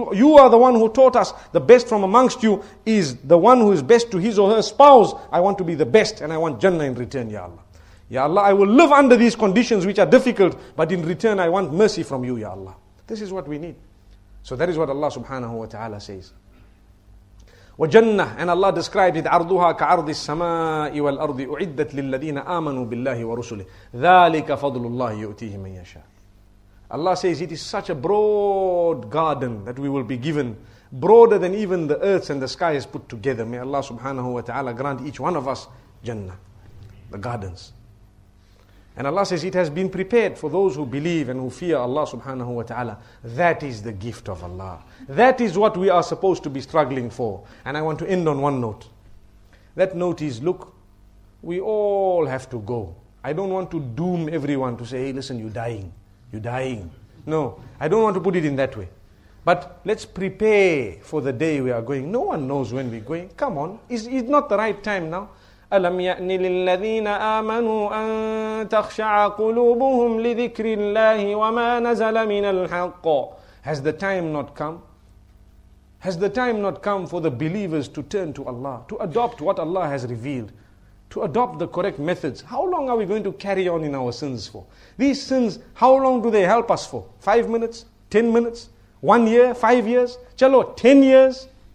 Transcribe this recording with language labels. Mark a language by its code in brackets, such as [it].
[en] You are the one who taught us the best from amongst you is the one who is best to his or her spouse. I want to be the best and I want Jannah in return, Ya Allah. Ya Allah, I will live under these conditions which are difficult, but in return I want mercy from you, Ya Allah. This is what we need. So that is what Allah subhanahu wa ta'ala says. [ar] وَجَنَّةً, [en] and Allah described it, [ar] عَرْضُهَا كَعَرْضِ السَّمَاءِ وَالْأَرْضِ أُعِدَّتْ لِلَّذِينَ آمَنُوا بِاللَّهِ وَرُسُلِهِ ذَلِكَ فَضْلُ اللَّهِ يُؤْتِيهِ مَنْ يَشَاءَ. [en] Allah says it is such a broad garden that we will be given, broader than even the earths and the skies put together. May Allah subhanahu wa ta'ala grant each one of us Jannah, the gardens. And Allah says it has been prepared for those who believe and who fear Allah subhanahu wa ta'ala. That is the gift of Allah. That is what we are supposed to be struggling for. And I want to end on one note. That note is, look, we all have to go. I don't want to doom everyone to say, hey, listen, you're dying. You're dying. No, I don't want to put it in that way. But let's prepare for the day we are going. No one knows when we're going. Come on, is not the right time now? [ar] أَلَمْ يَأْنِ لِلَّذِينَ آمَنُوا أَن تَخْشَعَ قُلُوبُهُمْ لِذِكْرِ اللَّهِ وَمَا نَزَلَ مِنَ الْحَقِّ. [en] Has the time not come Has the time not come for the believers to turn to Allah, to adopt what Allah has revealed, to adopt the correct methods? How long are we going to carry on in our sins for? These sins, how long do they help us for? 5 minutes? 10 minutes? 1 year? 5 years? Chalo, 10 years?